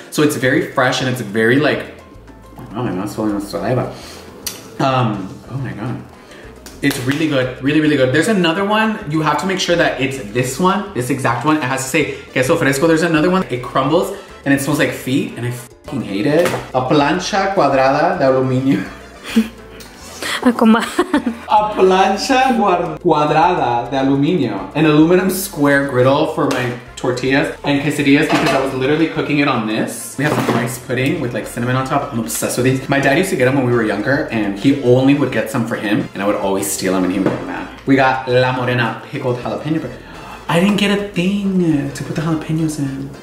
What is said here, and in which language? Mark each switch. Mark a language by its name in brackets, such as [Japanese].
[English] So it's very fresh and it's very like, oh my mouth's filling with saliva. Oh my God. It's really good, really, really good. There's another one, you have to make sure that it's this one, this exact one. It has to say queso fresco. There's another one, it crumbles and it smells like feet and I fucking hate it. [Spanish] A plancha cuadrada de aluminio. A plancha cuadrada de aluminio. [English] An aluminum square griddle for my tortillas and quesadillas because I was literally cooking it on this. We have some rice pudding with like cinnamon on top. I'm obsessed with these. My dad used to get them when we were younger and he only would get some for him and I would always steal them and he would get mad. We got La Morena pickled jalapeno. I didn't get a thing to put the jalapenos in.